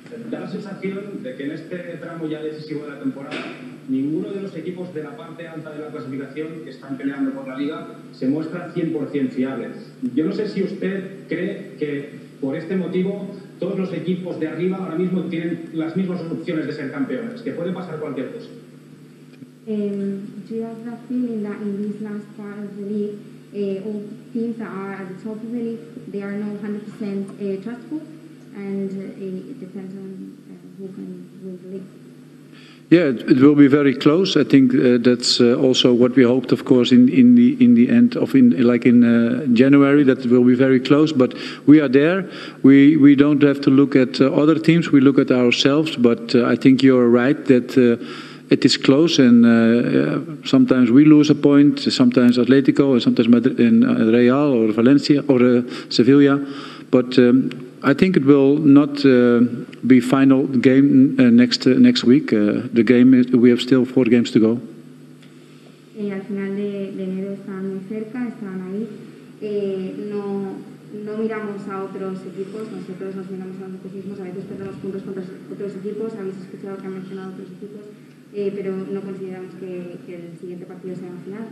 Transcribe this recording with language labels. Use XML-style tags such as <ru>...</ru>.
<es>Da la sensación de que en este tramo ya decisivo de la temporada, ninguno de los equipos de la parte alta de la clasificación que están peleando por la Liga se muestra 100% fiable. Yo no sé si usted cree que por este motivo todos los equipos de arriba ahora mismo tienen las mismas opciones de ser campeones, que puede pasar cualquier cosa.</es> <en>Do you have the feeling that in this last part of the league, all teams that are at the top of the league, they are not 100% trustful, and it depends on who can win the league? Yeah, it will be very close. I think that's also what we hoped, of course, in the end of January, that it will be very close. But we are there. We don't have to look at other teams. We look at ourselves. But I think you're right that it is close. And sometimes we lose a point, sometimes Atletico, and sometimes Madrid, and Real or Valencia or Sevilla. But I think it will not be final game next week. The game is, we have still 4 games to go.</en> <es>Al final de enero están muy cerca, están ahí. No miramos a otros equipos, nosotros nos miramos a nosotros mismos. A veces perdemos puntos contra otros equipos. Habéis escuchado que han mencionado otros equipos, pero no consideramos que el siguiente partido sea la final.</es>